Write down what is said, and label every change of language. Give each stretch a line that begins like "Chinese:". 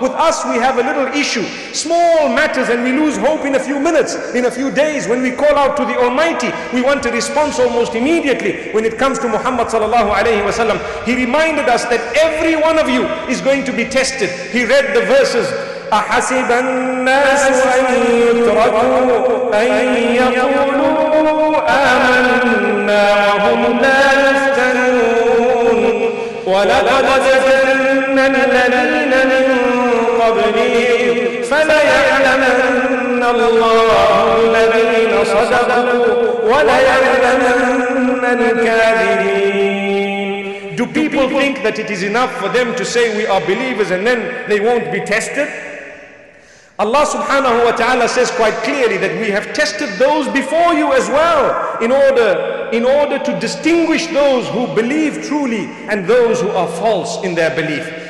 English: With us, we have a little issue. Small matters, and we lose hope in a few minutes, in a few days. When we call out to the Almighty, we want a response almost immediately. When it comes to Muhammad sallallahu alayhi wa sallam, he reminded us that every one of you is going to be tested. He read the verses.
Arabic: أحسب الناس أن يتركوا أن يقولوا آمنا وهم لا يفتنون ولقد فتنا الذين من قبلهم فليعلمن الله الذين صدقوا وليعلمن الكاذبين.
English: Do people think that it is enough for them to say we are believers and then they won't be tested? Allah subhanahu wa ta'ala says quite clearly that we have tested those before you as well in order to distinguish those who believe truly and those who are false in their belief.